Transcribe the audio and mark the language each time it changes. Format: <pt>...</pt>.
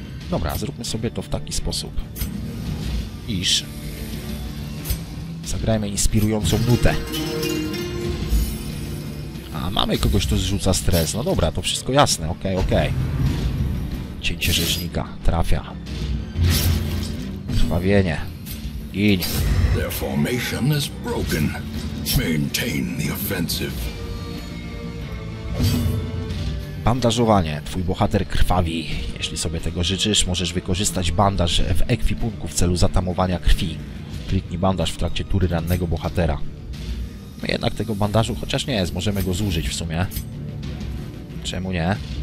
<pl>Dobra, zróbmy sobie to w taki sposób, iż zagrajmy inspirującą nutę. A, mamy kogoś, kto zrzuca stres. No dobra, to wszystko jasne. Okej, okej. Cięcie rzeźnika trafia. Krwawienie. Giń.</pl> <en>Their formation is broken. Maintain the offensive.</en> <pl>Bandażowanie. Twój bohater krwawi. Jeśli sobie tego życzysz, możesz wykorzystać bandaż w ekwipunku w celu zatamowania krwi. Kliknij bandaż w trakcie tury rannego bohatera. My jednak tego bandażu, chociaż nie jest, możemy go zużyć w sumie. Czemu nie?</pl>